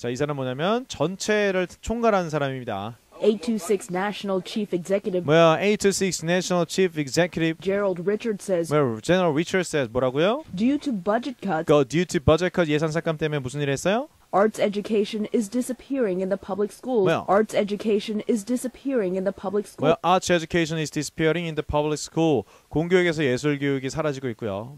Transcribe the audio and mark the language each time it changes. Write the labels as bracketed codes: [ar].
[ko] 자, 이 사람 뭐냐면 전체를 총괄하는 사람입니다. [en] 826 National Chief Executive. [ko] 뭐야, [en] 826 National Chief Executive. Gerald Richards says. [ko] 뭐야, [en] General Richards says [ko] 뭐라고요? [en] Due to budget cuts. [ko] 예산 삭감 때문에 무슨 일을 했어요? [en] Arts education is disappearing in the public school. Arts education is disappearing in the public school. [ko] 공교육에서 예술 교육이 사라지고 있고요.